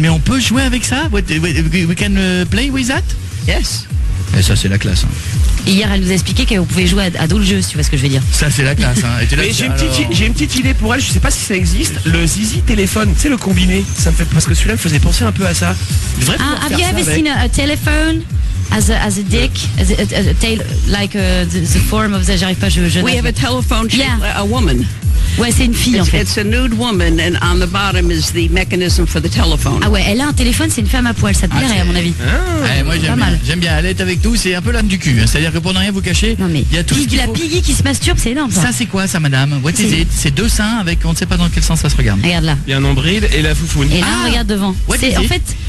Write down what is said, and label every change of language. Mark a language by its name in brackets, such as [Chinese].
[French] Mais on peut jouer avec ça? [English] We can play with that? Yes. [French] Et ça, c'est la classe. Hein. Hier, elle nous a expliqué qu'on pouvait jouer à d'autres jeux, si tu vois ce que je veux dire. Ça, c'est la classe. Hein. Et là, mais j'ai une petite idée pour elle, je sais pas si ça existe. Le Zizi téléphone, tu sais, le combiné, ça me fait, parce que celui-là me faisait penser un peu à ça. [English] Have you ever seen a telephone? As a dick, as a tail, like the form of the [French] j'arrive pas, je [English] we have a telephone shaped like a woman. [French] Ouais, c'est une fille en fait. [English] It's a nude woman and on the bottom is the mechanism for the telephone. [French] Ah ouais, elle a un téléphone, c'est une femme à poil, ça te plairait à mon avis. Ah, ouais, moi j'aime bien. J'aime bien, elle est avec tout, c'est un peu l'âme du cul. Hein. C'est-à-dire que pour ne rien vous cacher, il y a tout ce qu'il faut. La Piggy qui se masturbe, c'est énorme. Ça c'est quoi ça madame? [English] What is it? [French] C'est deux seins avec on ne sait pas dans quel sens ça se regarde. Regarde là. Il y a un nombril et la foufoune. Et là, regarde devant. C'est en fait.